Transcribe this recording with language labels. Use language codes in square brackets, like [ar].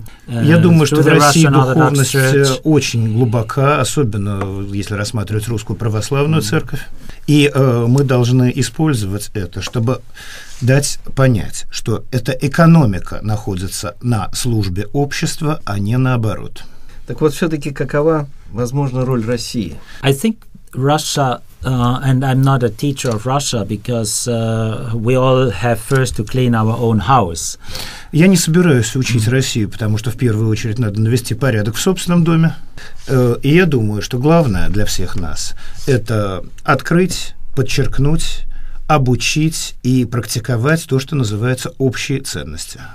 [ru] Я думаю, что в России духовность очень глубока, особенно если рассматривать русскую православную церковь. И мы должны использовать это, чтобы дать понять, что эта экономика находится на службе общества, а не наоборот. Так вот, все-таки какова, возможно, роль России? [en] I think Russia, and I'm not a teacher of Russia, because we all have first to clean our own house. [ru] Я не собираюсь учить Россию, потому что в первую очередь надо навести порядок в собственном доме. И я думаю, что главное для всех нас – это открыть, подчеркнуть, обучить и практиковать то, что называется общие ценности.